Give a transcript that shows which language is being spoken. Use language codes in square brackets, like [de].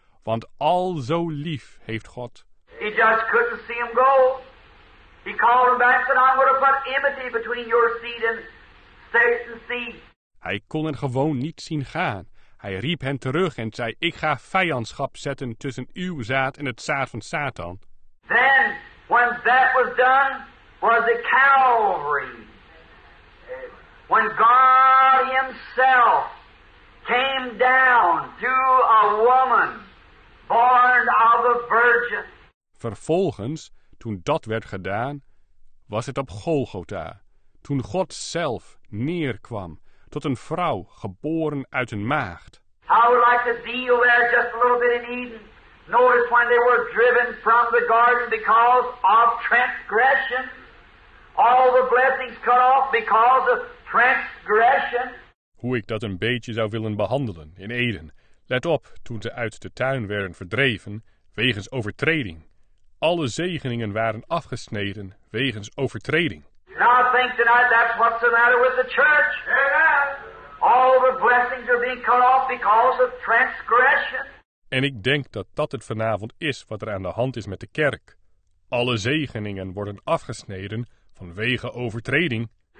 [nl] Want al zo lief heeft God. [en] He just couldn't see him go. He called him back, said, I'm going to put enmity between your seed and Satan's seed. [nl] Hij kon hen gewoon niet zien gaan. Hij riep hen terug en zei, ik ga vijandschap zetten tussen uw zaad en het zaad van Satan. [en] Then, when that was done, was at Calvary. When God himself came down to a woman born of a virgin. [nl] Vervolgens, toen dat werd gedaan, was het op Golgotha. Toen God zelf neerkwam tot een vrouw geboren uit een maagd. [en] How like the deal there just a little bit in Eden. Notice when they were driven from the garden because of transgression. All the blessings cut off because of transgression. [nl] Hoe ik dat een beetje zou willen behandelen in Eden. Let op, toen ze uit de tuin werden verdreven, wegens overtreding. Alle zegeningen waren afgesneden, wegens overtreding. [en] Now I think tonight that's what's the matter with the church. All the blessings are being cut off because of transgression. [nl] En ik denk dat dat het vanavond is wat er aan de hand is met de kerk. Alle zegeningen worden afgesneden vanwege overtreding.